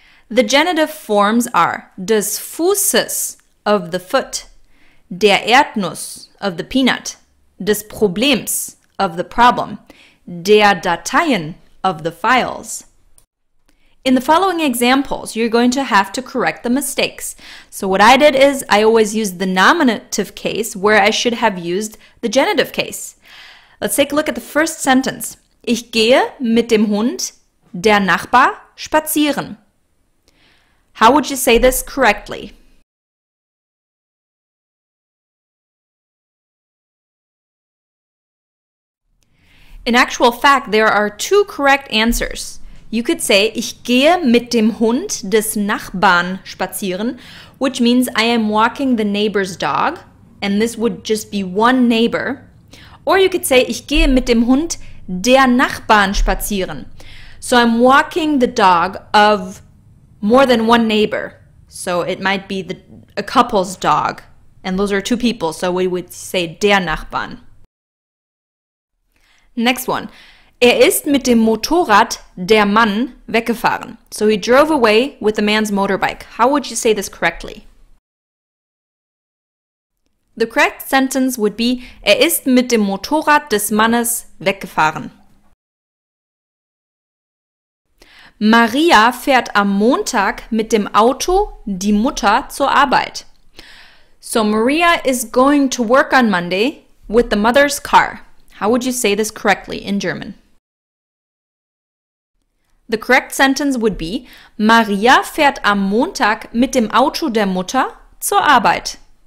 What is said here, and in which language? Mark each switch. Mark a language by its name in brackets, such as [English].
[English] The genitive forms are [German] des Fußes, [English] of the foot, [German] der Erdnuss, [English] of the peanut, [German] des Problems, [English] of the problem, [German] der Dateien, [English] of the files. In the following examples, you're going to have to correct the mistakes. So what I did is I always used the nominative case where I should have used the genitive case. Let's take a look at the first sentence. [German] Ich gehe mit dem Hund der Nachbar spazieren. [English] How would you say this correctly? In actual fact, there are two correct answers. You could say, [German] ich gehe mit dem Hund des Nachbarn spazieren, [English] which means I am walking the neighbor's dog, and this would just be one neighbor. Or you could say, [German] ich gehe mit dem Hund der Nachbarn spazieren. [English] So I'm walking the dog of more than one neighbor. So it might be a couple's dog, and those are two people, so we would say [German] der Nachbarn. [English] Next one. [German] Er ist mit dem Motorrad der Mann weggefahren. [English] So he drove away with the man's motorbike. How would you say this correctly? The correct sentence would be, [German] er ist mit dem Motorrad des Mannes weggefahren. Maria fährt am Montag mit dem Auto die Mutter zur Arbeit. [English] So Maria is going to work on Monday with the mother's car. How would you say this correctly in German? The correct sentence would be, [German] Maria fährt am Montag mit dem Auto der Mutter zur Arbeit.